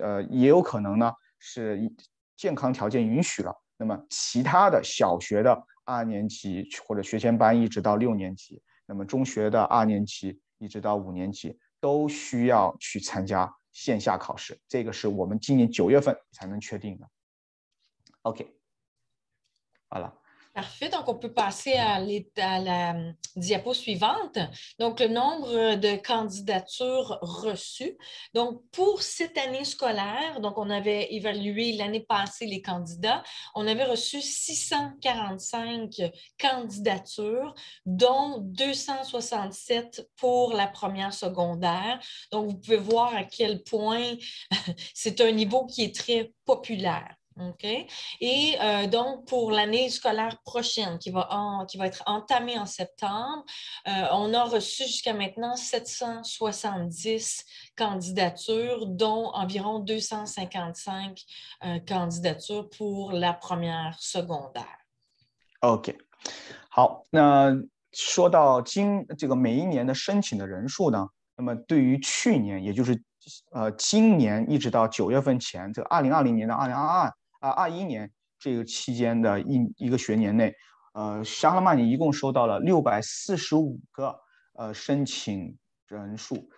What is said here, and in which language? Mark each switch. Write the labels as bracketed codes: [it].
[zh] 也有可能呢是健康条件允许了，那么其他的小学的二年级或者学前班一直到六年级，那么中学的二年级一直到五年级都需要去参加线下考试，这个是我们今年九月份才能确定的。 [fr] OK，voilà. Parfait, donc on peut passer à la diapo suivante. Donc le nombre de candidatures reçues. Donc pour cette année scolaire, donc on avait évalué l'année passée les candidats, on avait reçu 645 candidatures, dont 267 pour la première secondaire. Donc vous pouvez voir à quel point c'est un niveau qui est très populaire. OK. Et donc, pour l'année scolaire prochaine, qui va être entamée en septembre, on a reçu jusqu'à maintenant 770 candidatures, dont environ 255 candidatures pour la première secondaire. OK. [zh] 好，那说到这个每一年的申请的人数呢，那么对于去年，也就是今年一直到九月份前，这个2020年到2021年这个期间的一个学年内，沙拉曼尼一共收到了645个申请人数。